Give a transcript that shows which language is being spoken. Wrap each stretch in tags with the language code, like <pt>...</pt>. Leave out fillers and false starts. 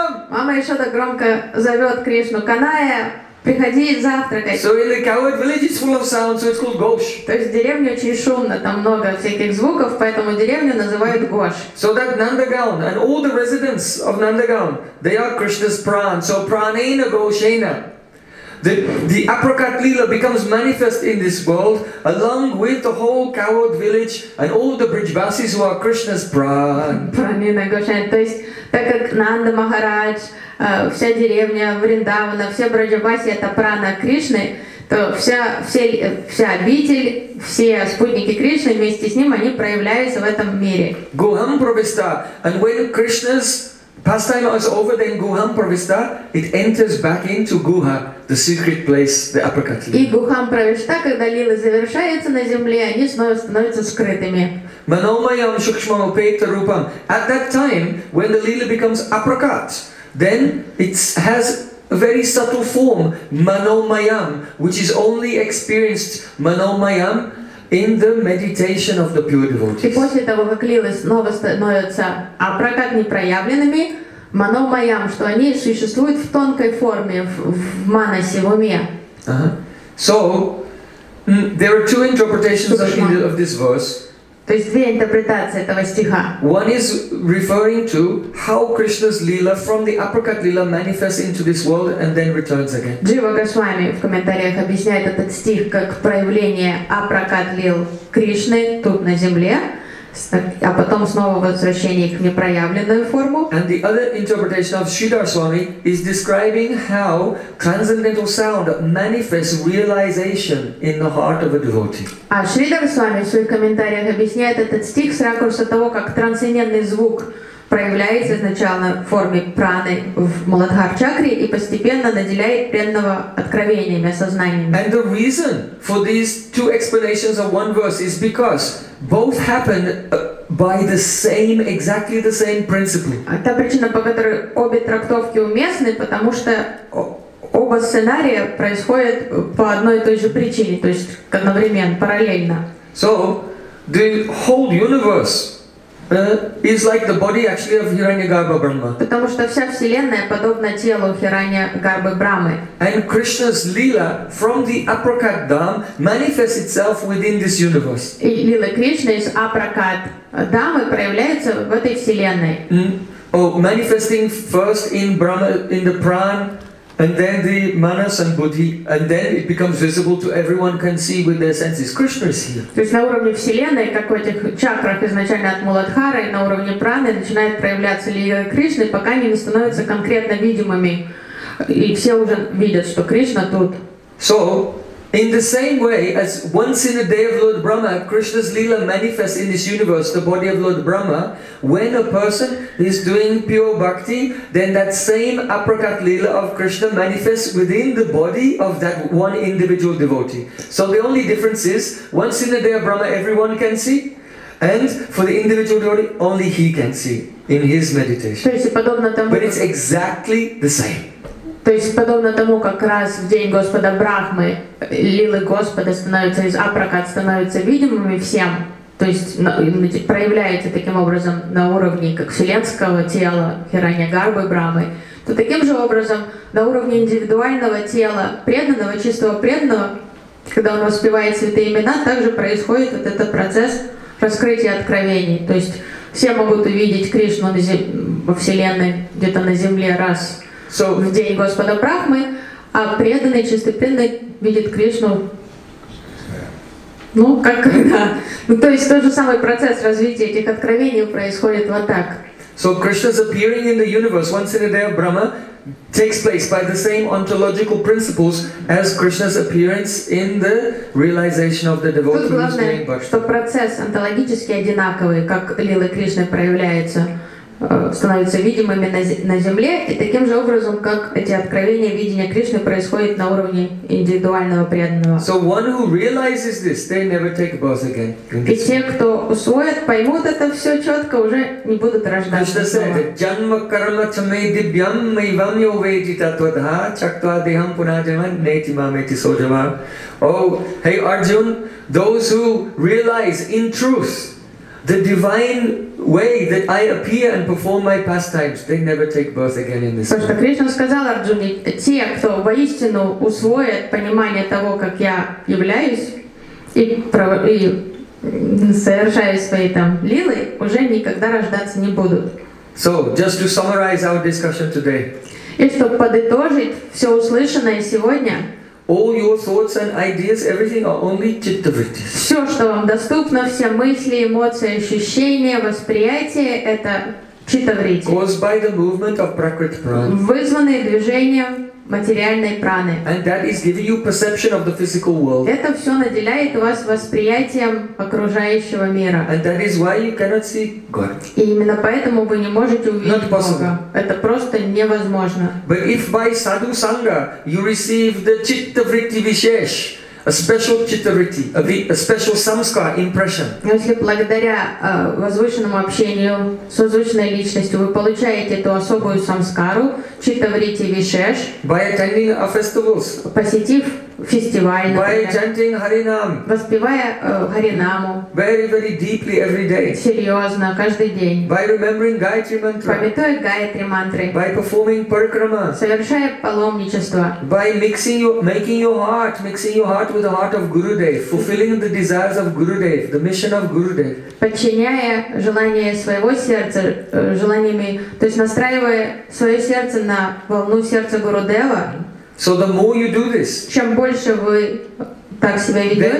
<ru>Мама еще так громко зовет Кришну. Каная, приходи завтракать.</ru> <en>So in the cowherd village it's full of sound, so it's called Gosh.</en> <ru>То есть деревня очень шумна, там много всяких звуков, поэтому деревню называют Gosh.</ru> <en>So that Nandagaon and all the residents of Nandagaon, they are Krishna's pran. So</en> <sa>pranena Goshena.</sa> <en>The Aprakat Lila becomes manifest in this world along with the whole cowherd village and all the Brijvasis who are Krishna's pran.</en> <sa>Pranena Goshena.</sa> <ru>То есть так как Нанда Махарадж, вся деревня Вриндавана, все Браджабаси это прана Кришны, то вся обитель, все спутники Кришны вместе с ним, они проявляются в этом мире.</ru> <sa>Guham Pravista.</sa> <en>And when Krishna's pastime is over, then Guham Pravista, it enters back into Guha, the secret place, the Aprakat Lila.</en> <ru>И</ru> <sa>Guham Pravista,</sa> <ru>когда лила завершается на земле, они снова становятся скрытыми.</ru> <sa>Manomayam Shukshmam Upeta Rupam.</sa> <en>At that time, when the lila becomes Aprakat, then it has a very subtle form, Manomayam, which is only experienced Manomayam in the meditation of the pure devotees.</en> <ru>И после того, как лилы снова становятся Апракат непроявленными, Манамаям, что они существуют в тонкой форме, в манасе, в уме.</ru> <en>So, there are two interpretations of this verse.</en> <ru>То есть две интерпретации этого стиха.</ru> <en>One is referring to how Krishna's lila from the apricot lila manifests into this world and then returns again.</en> <ru>Джива Госвами в комментариях объясняет этот стих как проявление апракат лил Кришны тут на земле, а потом снова возвращение к непроявленной форме.</ru> <en>And the other interpretation of Sridhar Swami is describing how transcendental sound manifests realization in the heart of a devotee.</en> <ru>А Шридхар Свами в своих комментариях объясняет этот стих с ракурса того, как трансцендентный звук проявляется изначально в форме праны в Муладхар чакре и постепенно наделяет преданного откровениями, осознаниями.</ru> <en>And the reason for these two explanations of one verse is because both happen by the same, exactly the same principle.</en> <ru>Та причина, по которой обе трактовки уместны, потому что оба сценария происходят по одной и той же причине, то есть одновременно, параллельно.</ru> <en>So the whole universe is like the body actually of Hiranyagarbha Brahma.</en> <ru>Потому что вся вселенная подобна телу Хираньягарбы Брамы.</ru> <en>And Krishna's lila from the apricot dham manifests itself within this universe.</en> <ru>И лила Кришны из апракат дамы проявляется в этой вселенной.</ru> <en>Oh, manifesting first in Brahma, in the pran, and then the manas and buddhi, and then it becomes visible to everyone can see with their senses. Krishna is here.</en> <ru>То есть на уровне вселенной, как в этих чакрах изначально от Муладхары, на уровне праны начинает проявляться лила Кришны, пока они не становятся конкретно видимыми, и все уже видят, что Кришна тут.</ru> <en>So, in the same way as once in the day of Lord Brahma, Krishna's lila manifests in this universe, the body of Lord Brahma, when a person is doing pure bhakti, then that same apricot lila of Krishna manifests within the body of that one individual devotee. So the only difference is, once in the day of Brahma, everyone can see, and for the individual devotee, only he can see in his meditation. But it's exactly the same.</en> <ru>То есть подобно тому, как раз в день Господа Брахмы лилы Господа становятся из апракат становятся видимыми всем, то есть проявляются таким образом на уровне как вселенского тела Хираньягарбы Брахмы, то таким же образом на уровне индивидуального тела преданного, чистого преданного, когда он воспевает святые имена, также происходит вот этот процесс раскрытия откровений. То есть все могут увидеть Кришну во вселенной, где-то на земле раз. So, в день Господа Брахмы, а преданный, чистый преданный видит Кришну, ну, как когда. Ну, то есть тот же самый процесс развития этих откровений происходит вот так.</ru> <en>So Krishna's appearing in the universe once in a day of Brahma takes place by the same ontological principles as Krishna's appearance in the realization of the devotee.</en> <ru>Тут главное, что процесс онтологически одинаковый, как лила Кришны проявляется. Становятся видимыми на земле, и таким же образом, как эти откровения видения Кришны происходят на уровне индивидуального преданного.</ru> <en>So one who realizes this, they never take birth again.</en> <ru>И те, кто усвоят, поймут это все четко, уже не будут рождаться.</ru> <en>Hey Arjun, those who realize in truth the divine way that I appear and perform my pastimes, they never take birth again in this world.</en> <ru>Потому что Кришна сказал Арджуне, те, кто воистину усвоят понимание того, как я являюсь и совершаю свои там лилы, уже никогда рождаться не будут.</ru> <en>So, just to summarize our discussion today.</en> <ru>И чтобы подытожить все услышанное сегодня.</ru> <en>All your thoughts and ideas, everything are only chitta vrittis.</en> <ru>Все, что вам доступно, все мысли, эмоции, ощущения, восприятие, это chitta vrittis.</ru> <en>Caused by the movement of prakriti prana.</en> <ru>Вызванные движением материальной праны.</ru> <en>And that is giving you perception of the physical world.</en> <ru>Это все наделяет вас восприятием окружающего мира.</ru> <en>And that is why you cannot see God.</en> <ru>И именно поэтому вы не можете увидеть Бога. Это просто невозможно.</ru> <en>But if by sadhu sangha you receive the chitta vritti vishesh, a special chitta vritti, a special samskara impression.</en> <ru>Если благодаря возвышенному общению с возвышенной личностью вы получаете эту особую самскару, chitta vritti vishesh,</ru> <en>by attending our festivals,</en> <ru>посетив фестивальных.</ru> <en>By chanting Харинам.</en> <ru>Воспевая Харинаму.</ru> <en>Very, very deeply every day.</en> <ru>Серьезно, каждый день.</ru> <en>By remembering Gayatri mantra.</en> <ru>Памятуя Гаятри мантры.</ru> <en>By performing Паркрама.</en> <ru>Совершая паломничество.</ru> <en>By making your heart with the heart of Gurudev, fulfilling the desires of Gurudev, the mission of Gurudev.</en> <ru>Подчиняя желания своего сердца желаниями, то есть настраивая свое сердце на волну сердца Гурудева.</ru> <en>So the more you do this,</en> <ru>чем больше вы так себя ведете,</ru>